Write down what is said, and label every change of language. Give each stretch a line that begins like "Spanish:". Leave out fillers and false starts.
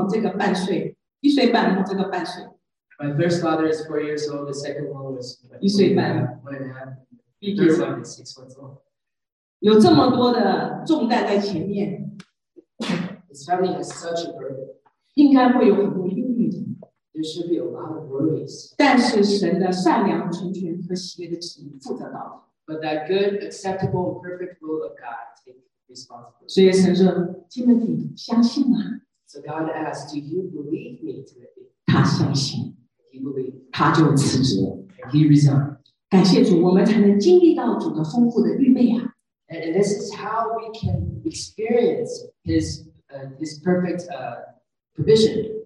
Chinese: 因为老大才4岁，然后1岁，然后这个半岁，1岁半，然后这个半岁。
English: My first father is 4 years old, the second one was
Chinese: 1岁半,
English: 1.5, the third one is 6 months old.
Chinese: 有这么多的重担在前面,
English: his family has such a burden.
Chinese: 应该会有很多忧虑的。
English: There should be a lot of worries.
Chinese: 但是神的善良、纯全和喜悦的旨意负责到底.
English: But that good, acceptable, perfect will of God take responsibility.
Chinese: 所以神说：“Timothy，相信吗？”
English: So God asked, "Do you believe me, Timothy?"
Chinese: 他相信.
English: He believed.
Chinese: 他就辞职.
English: He resigned.
Chinese: 感谢主，我们才能经历到主的丰富的预备啊.
English: And this is how we can experience His perfect provision.